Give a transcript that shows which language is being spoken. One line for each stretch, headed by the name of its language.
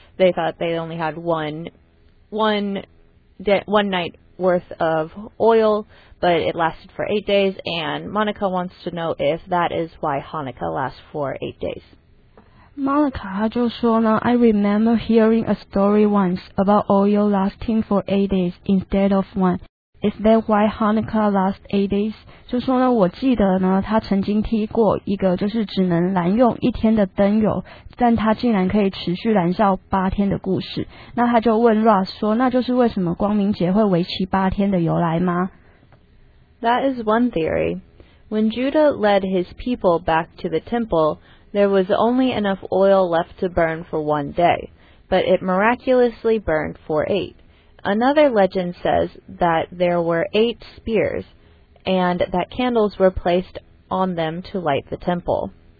English: They thought they only had one night worth of oil, but it lasted for 8 days, and Monica wants to know if that is why Hanukkah lasts for 8 days. Monica, I remember hearing a story once about oil lasting for 8 days instead of one. Is that why Hanukkah lasts 8 days?
Chinese: 就说呢，我记得呢，他曾经提过一个就是只能燃用一天的灯油，但他竟然可以持续燃烧8天的故事。那他就问 Ross 说，那就是为什么光明节会为期8天的由来吗？
English: That is one theory. When Judah led his people back to the temple, there was only enough oil left to burn for one day, but it miraculously burned for 8. Another legend says that there were 8 spears, and that candles were placed on them to light the temple.